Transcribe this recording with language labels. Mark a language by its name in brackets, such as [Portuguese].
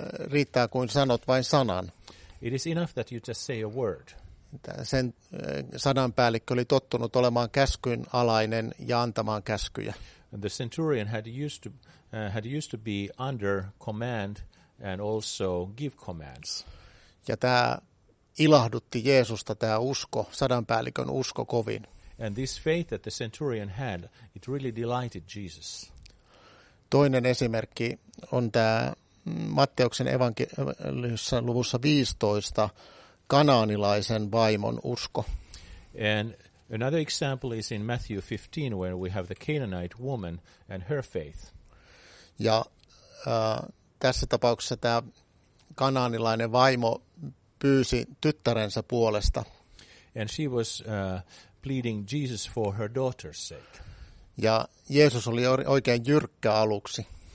[Finnish] Riittää kuin sanot vain sanan. [English] It is enough that you just say a word. [Finnish] Sen sadan päällikkö oli tottunut olemaan käskyn alainen ja antamaan käskyjä. [English] And the centurion had used to be under command and also give commands. [Finnish] Ja tämä ilahdutti Jeesusta, tämä usko, sadanpäällikön usko kovin. [English] And this faith that the centurion had, it really delighted Jesus. [Finnish] Toinen esimerkki on tämä Matteuksen evankeliumissa luvussa 15 kanaanilaisen vaimon usko. [English] And another example is in Matthew 15, where we have the Canaanite woman and her faith. [Finnish] Ja tässä tapauksessa tämä kanaanilainen vaimo pyysi tyttärensä puolesta. [English] And she was pleading Jesus for her daughter's sake. [Finnish] Ja Jeesus oli oikein jyrkkä aluksi.